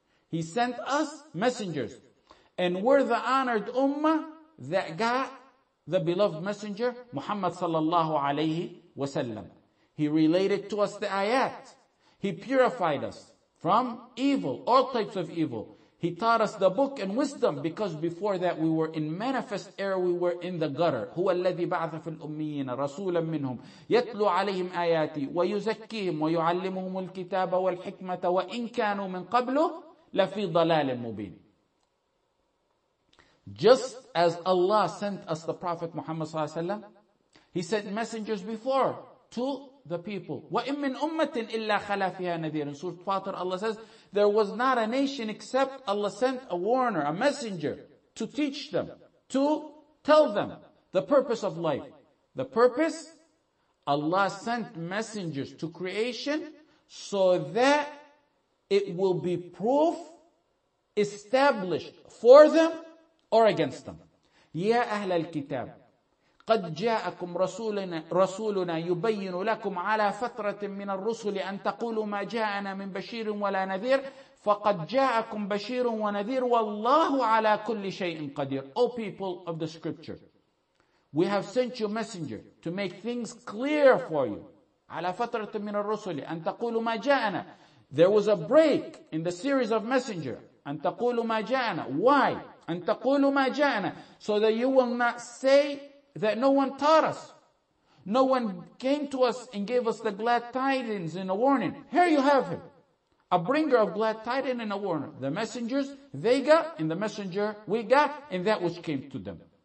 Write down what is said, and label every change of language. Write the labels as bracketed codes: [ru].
[en] He sent us messengers. And we're the honored ummah that got the beloved messenger, Muhammad sallallahu alayhi wa sallam. He related to us the ayat. He purified us from evil, all types of evil. He taught us the book and wisdom, because before that we were in manifest error, we were in the gutter. [ar] هو الذي بعث في الأميين رسولا منهم يتلو عليهم آياتي ويزكيهم ويعلمهم الكتاب والحكمة وإن كانوا من قبله لفي ضلال مبين. [en] Just as Allah sent us the Prophet Muhammad [ar] صلى الله عليه وسلم, [en] He sent messengers before to the people. [ar] وَإِن مِّنْ أُمَّةٍ إِلَّا خَلَى فِيهَا نَذِيرٌ. [en] Surah Fatir, Allah says, there was not a nation except Allah sent a warner, a messenger, to teach them, to tell them the purpose of life. The purpose? Allah sent messengers to creation so that it will be proof established for them or against them. [ar] يَا أَهْلَ الْكِتَابِ قَدْ جَاءَكُمْ رَسُولُنَا يُبَيِّنُ لَكُمْ عَلَى فَتْرَةٍ مِّنَ الرُّسُلِ أَن تَقُولُوا مَا جَاءَنَا مِنْ بَشِيرٍ وَلَا نَذِيرٍ فَقَدْ جَاءَكُمْ بَشِيرٌ وَنَذِيرٌ وَاللَّهُ عَلَىٰ كُلِّ شَيْءٍ قَدِيرٌ [en] O people of the scripture, we have sent you a messenger to make things clear for you. [ar] عَلَىٰ فَتْرَةٍ مِّنَ الرُّسُلِ أَن تَقُولُ مَا جَاءَنَا [en] There was a break in the series of messenger. [ar] أَن تَقُولُ مَا جَاءَنَا [en] Why? [ar] أَن تَقُولُ مَا جَاءَنَا [en] So that you will not say that no one taught us. No one came to us and gave us the glad tidings and a warning. Here you have him. A bringer of glad tidings and a warner. The messengers they got, and the messenger we got, and that which came to them.